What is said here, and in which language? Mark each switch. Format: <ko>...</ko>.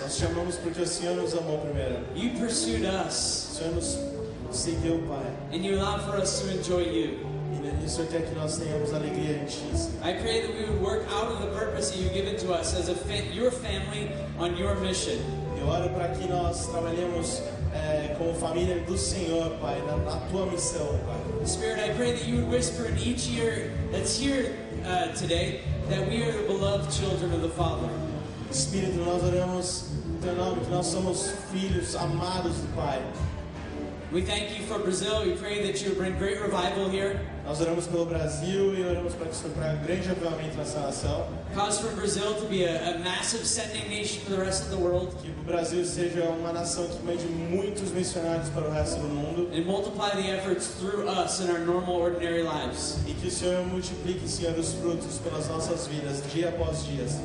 <pt>Nós te amamos porque o Senhor nos amou primeiro.</pt> <en>You pursued us.</en> <pt>O Senhor nos seguiu, Pai.</pt> <en>And you allowed for us to enjoy you.</en> <pt>E o Senhor quer que nós tenhamos alegria em ti.</pt> <en>I pray that we would work out of the purpose that you've given to us as a your family on your mission.</en> <pt>Eu oro para que nós trabalhemos como família do Senhor, Pai, na tua missão, Pai.</pt> <en>Spirit, I pray that you would whisper in each ear that's here today that we are the beloved children of the Father.</en> <pt>Espírito, nós oramos em teu nome que nós somos filhos amados do Pai.</pt> <en>We thank you for Brazil. We pray that you bring great revival here.</en> <pt>Nós oramos pelo Brasil e oramos para que o Senhor traga grande avivamento nessa nação.</pt> <en>Cause for Brazil to be a massive sending nation for the rest of the world.</en> <pt>Que o Brasil seja uma nação que mande muitos missionários para o resto do mundo.</pt> <en>And multiply the efforts through us in our normal, ordinary lives.</en> <pt>E que o Senhor multiplique, Senhor, os frutos pelas nossas vidas, dia após dia.</pt>